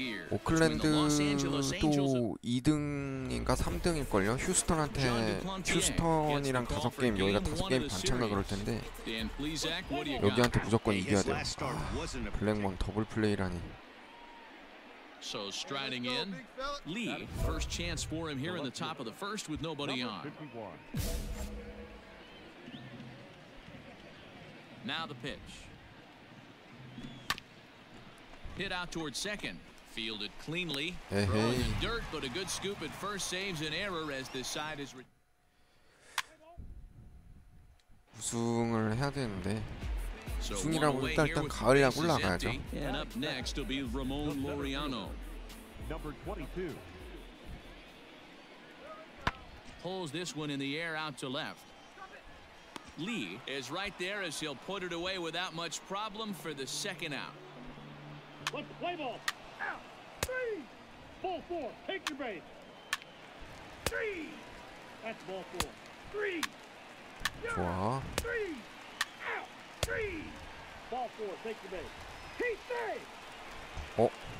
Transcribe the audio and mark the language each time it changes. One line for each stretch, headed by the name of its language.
Korean: 오클랜드도 2등인가 3등일걸요? 휴스턴이랑 5게임, 여기가 5게임 반차인가 그럴 텐데 여기한테 무조건 이겨야 돼요. 아, 블랙몬 더블 플레이라니.
English: So striding in, Lee, first chance for him here in the top of the first with nobody on. Now the pitch. Hit out towards second. Fielded cleanly. Throw in the dirt, but a good scoop at first saves an error as the side is.
Korean: 우승을 해야 되는데. 우승이라고 일단 가을이랑 올라가야죠.
English: And up next will be Ramon Laureano. Number 22 pulls this one in the air out to left. Lee is right there as he'll put it away without much problem for the second out. Let's play ball. Out. Three. Ball four. Take your base. Three. That's ball four. Three. Four. Three. Out. Three. Ball four. Take your base. Keep safe. Oh.